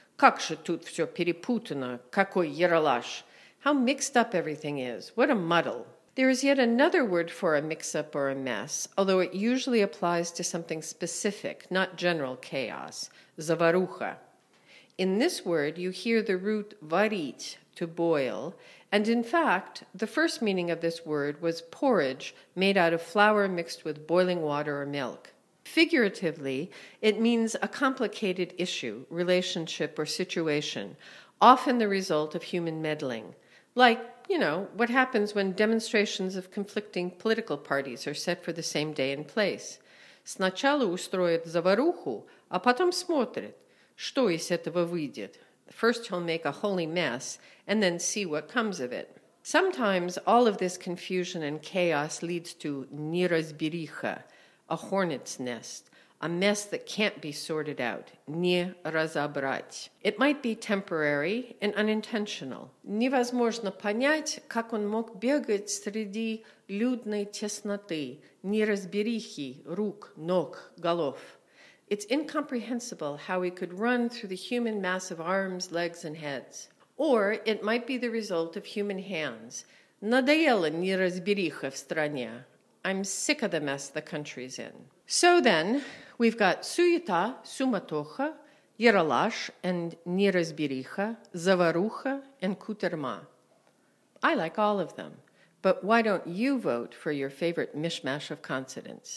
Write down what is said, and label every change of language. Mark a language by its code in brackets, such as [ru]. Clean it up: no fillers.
[ru] Как же тут все перепутано, какой яралаш. [en] How mixed up everything is, what a muddle. There is yet another word for a mix-up or a mess, although it usually applies to something specific, not general chaos, заваруха. In this word, you hear the root варить, to boil, and in fact, the first meaning of this word was porridge made out of flour mixed with boiling water or milk. Figuratively, it means a complicated issue, relationship, or situation, often the result of human meddling. Like, you know, what happens when demonstrations of conflicting political parties are set for the same day and place. [ru] Сначала устроит заваруху, а потом смотрит, что из этого выйдет. [en] First he'll make a holy mess and then see what comes of it. Sometimes all of this confusion and chaos leads to неразбериха, a hornet's nest, a mess that can't be sorted out, не разобрать. It might be temporary and unintentional. [ru] Невозможно понять, как он мог бегать среди людной тесноты, неразберихи рук, ног, голов. [en] It's incomprehensible how he could run through the human mass of arms, legs, and heads. Or it might be the result of human hands. [ru] Надоела неразбериха в стране. [en] I'm sick of the mess the country's in. So then, we've got суета, суматоха, яралаш, and неразбериха, заваруха, and кутерма. I like all of them. But why don't you vote for your favorite mishmash of consonants?